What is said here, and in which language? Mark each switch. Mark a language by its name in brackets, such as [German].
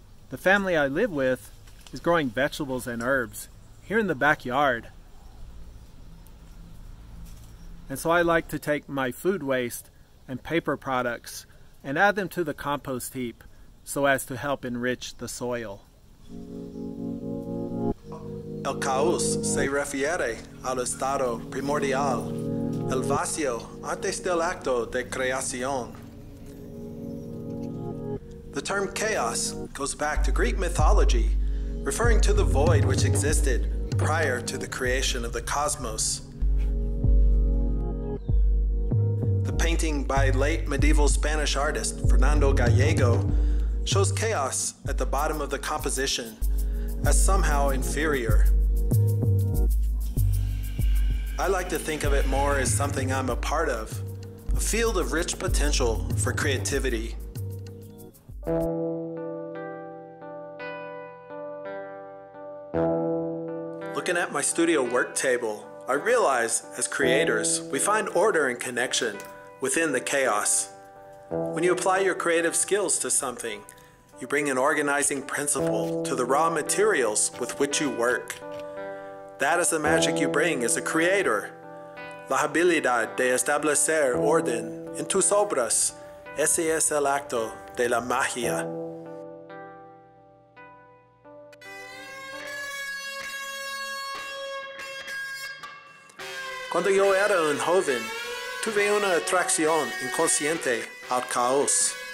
[English] The family I live with is growing vegetables and herbs here in the backyard. And so I like to take my food waste and paper products and add them to the compost heap, so as to help enrich the soil. [Spanish] El caos se refiere al estado primordial, el vacío antes del acto de creación. [English] The term chaos goes back to Greek mythology, referring to the void which existed prior to the creation of the cosmos. The painting by late medieval Spanish artist Fernando Gallego shows chaos at the bottom of the composition as somehow inferior. I like to think of it more as something I'm a part of, a field of rich potential for creativity. Looking at my studio work table, I realize as creators, we find order and connection within the chaos. When you apply your creative skills to something, you bring an organizing principle to the raw materials with which you work. That is the magic you bring as a creator. [Spanish] La habilidad de establecer orden en tus obras, ese es el acto de la magia. Cuando yo era un joven, tuve una atracción inconsciente al caos.